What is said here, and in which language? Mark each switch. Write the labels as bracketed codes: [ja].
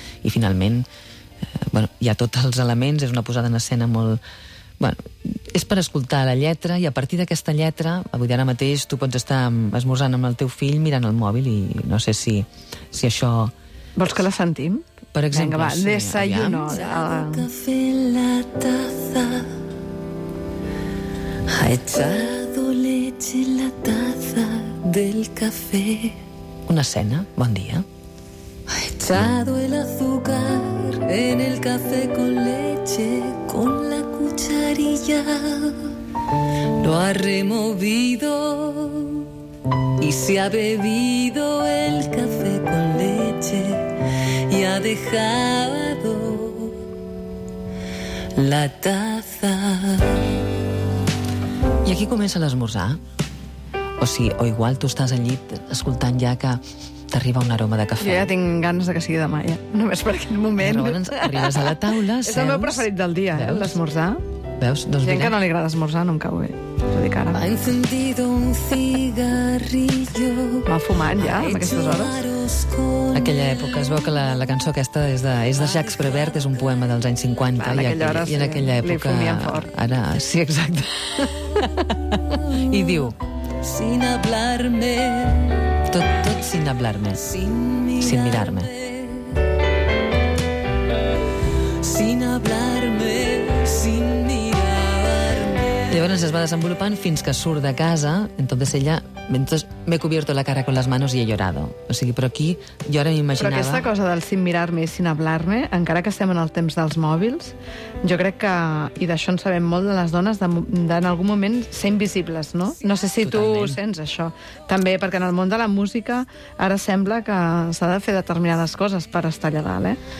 [ca] I finalment, bueno, hi ha tots els elements, és una posada en escena molt... Bueno, és per escoltar la lletra i a partir d'aquesta lletra, avui ara mateix tu pots estar esmorzant amb el teu fill mirant el mòbil i no sé si això... Vols que la sentim? Per exemple, vinga, va, sí, desayuno. Ja el cafè [es] en la taza ha echado leche en la taza del café. [ca] Una escena, bon dia. [es] Ha echado el azúcar en el café con leche con la cucharilla. Lo ha removido y se ha bebido el café con leche y ha dejado la taza. [ca] I aquí comença l'esmorzar. O sí, o igual tu estàs al llit escoltant ja que t'arriba un aroma de cafè. Jo ja tinc ganes de que sigui demà, ja. Només per aquest moment. Llavors arribes a la taula, seus... És el meu preferit del dia, veus? L'esmorzar. Veus? Doncs gent que no li agrada esmorzar, no em cau bé. Ho dic ara. [es] Ha encendido un cigarrillo. [ca] Va fumant ja, en aquestes hores. Aquella època, es veu que la cançó aquesta és de Jacques Prévert, és un poema dels anys 50. Va, i en aquella època... Li fumien fort. Ara, sí, exacte. I diu... [es] Sin hablarme. [ca] Tot [es] sin hablarme. Sin mirarme. Sin hablarme, sin mirarme. [ca] Llavors es va desenvolupant fins que surt de casa, [es] entonces ella... Entonces me he cubierto la cara con las manos y he llorado. [ca] O sigui, però aquí, jo ara m'imaginava... Però aquesta cosa del [es] sin mirar-me [ca] i [es] sin hablar-me, [ca] encara que estem en el temps dels mòbils, jo crec que, i d'això en sabem molt de les dones, en algun moment ser invisibles, no? No sé si Totalment. Tu ho sents, això. També, perquè en el món de la música ara sembla que s'ha de fer determinades coses per estar allà dalt, eh?